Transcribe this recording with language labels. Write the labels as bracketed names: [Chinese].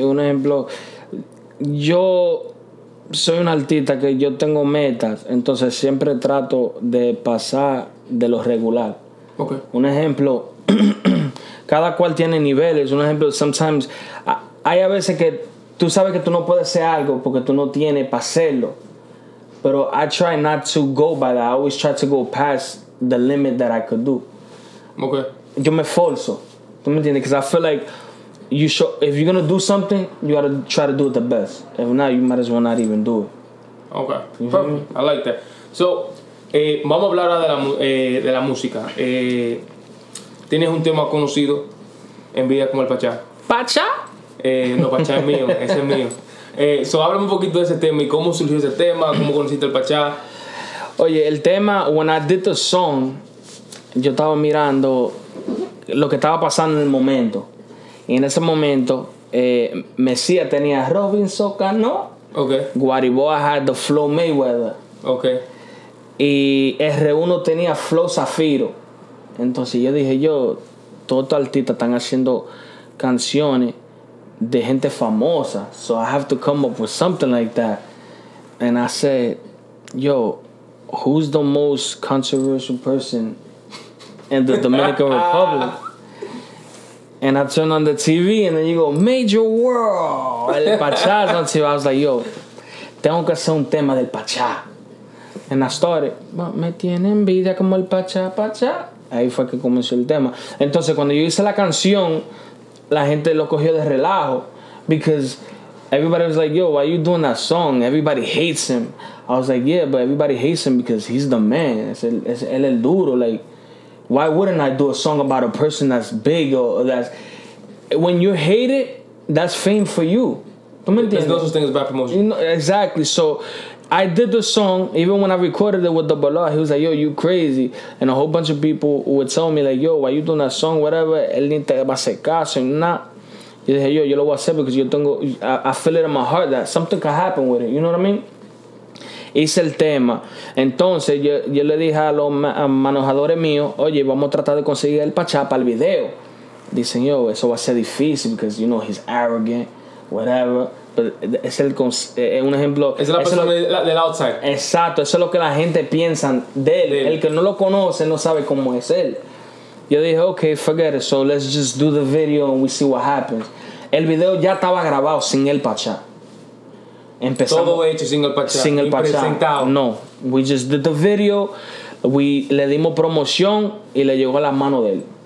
[Spanish] Un ejemplo, yo soy un artista que yo tengo metas, entonces siempre trato de pasar de lo regular. [English] Okay. [Spanish] Un ejemplo, cada cual tiene niveles. Un ejemplo, sometimes, hay a veces que tú sabes que tú no puedes hacer algo porque tú no tienes para hacerlo. [English] Pero I try not to go by that. I always try to go past the limit that I could do. Okay. [Spanish] Yo me esfuerzo. ¿Tú me entiendes? [English] Because I feel like if you're going to do something, you got to try to do it the best. If not, you might as well not even do it. Okay, perfect. Mm-hmm. I like that. [Spanish] So, vamos a hablar ahora de la música. Tienes un tema conocido en vida como el Pachá. ¿Pachá? No, Pachá es mío, ese es mío. So, háblame un poquito de ese tema y cómo surgió ese tema, cómo conociste el Pachá. Oye, el tema, [English] when I did the song, [Spanish] yo estaba mirando lo que estaba pasando en el momento. Y en ese momento, Mesías tenía Robinson Cano. [English] Okay. Guariboa had the Flow Mayweather. Okay. [Spanish] Y R1 tenía Flow Zafiro. Entonces yo dije, yo, todos estos artistas están haciendo canciones de gente famosa. [English] So I have to come up with something like that. And I said, yo, who's the most controversial person in the Dominican Republic? And I turned on the TV and then you go, Major World, el Pachá. I was like, yo, [Spanish] tengo que hacer un tema del Pachá. [English] And I started, [Spanish] me tiene envidia como el Pachá, Pachá. Ahí fue que comenzó el tema. Entonces, cuando yo hice la canción, la gente lo cogió de relajo. [English] Because everybody was like, yo, why are you doing that song? Everybody hates him. I was like, yeah, but everybody hates him because he's the man. [Spanish] Él es el duro, [English] like. Why wouldn't I do a song about a person that's big or that's... When you hate it, that's fame for you. There's no such thing as bad promotion. You know, exactly. So I did the song. Even when I recorded it with the Bala, he was like, yo, you crazy. And a whole bunch of people would tell me like, yo, why you doing that song? [Spanish] Whatever. Él ni te va a hacer caso. Nah. Y dije, yo, yo lo voy a hacer because yo tengo... [English] I feel it in my heart that something could happen with it. You know what I mean? [Spanish] Hice el tema. Entonces yo le dije a los manejadores míos, oye, vamos a tratar de conseguir el Pachá para el video. Dicen, yo, eso va a ser difícil [English] because, you know, he's arrogant, whatever. [Spanish] Pero es un ejemplo. Es la persona del outside. Exacto, eso es lo que la gente piensa de él. El que no lo conoce no sabe cómo es él. Yo dije, [English] okay, forget it. So let's just do the video and we see what happens. [Spanish] El video ya estaba grabado sin el Pachá. Empezamos. Todo hecho sin el Pachá. Sin el Pachá. Presentado. [English] No. We just did the video. [Spanish] We le dimos promoción y le llegó a las manos de él.